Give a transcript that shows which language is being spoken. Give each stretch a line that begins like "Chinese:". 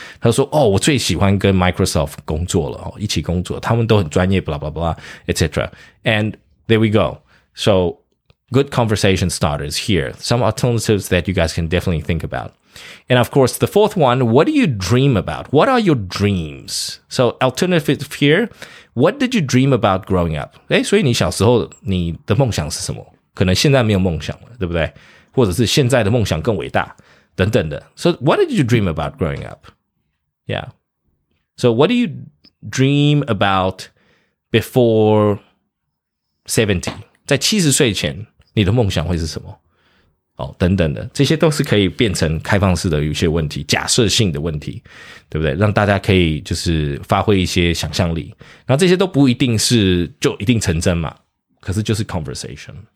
Chinese: 他说噢、哦、我最喜欢跟 Microsoft 工作了一起工作他们都很专业
English: blah, blah, blah, etc. And there we go. So,good conversation starters here. Some alternatives that you guys can definitely think about. And of course, the fourth one, what do you dream about? What are your dreams? So alternative here, what did you dream about growing up?
Chinese: 诶所以你小时候你的梦想是什么可能现在没有梦想了对不对或者是现在的梦想更伟大等等的。
English: So what did you dream about growing up? Yeah. So what do you dream about before 70?
Chinese: 在70岁前你的梦想会是什么、哦、等等的这些都是可以变成开放式的有些问题假设性的问题对不对让大家可以就是发挥一些想象力那这些都不一定是就一定成真嘛可是就是 conversation